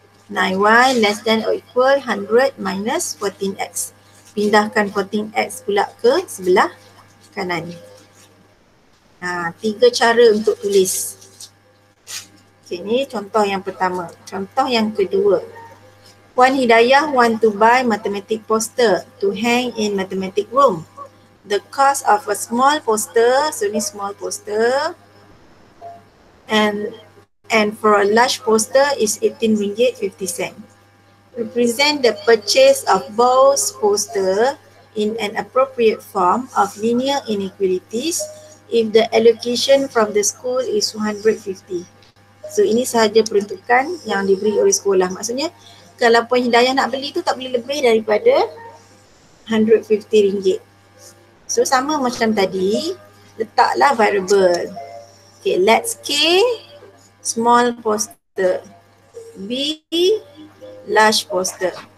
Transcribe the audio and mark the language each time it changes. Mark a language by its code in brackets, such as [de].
[en] 9y less than or equal 100 minus 14x. [ms] Pindahkan 14x pula ke sebelah kanan. Tiga cara untuk tulis. Okay, ni contoh yang pertama. Contoh yang kedua. [en] Wan Hidayah want to buy mathematic poster to hang in mathematic room. The cost of a small poster, [ms] so ni [en] small poster. And for a large poster is RM18.50. Represent the purchase of both poster in an appropriate form of linear inequalities if the allocation from the school is 150. [ms] So ini sahaja peruntukan yang diberi oleh sekolah. Maksudnya kalau Puan Hidayah nak beli tu tak boleh lebih daripada RM150. So sama macam tadi, letaklah variable. [en] Okay, let's K small poster, B large poster.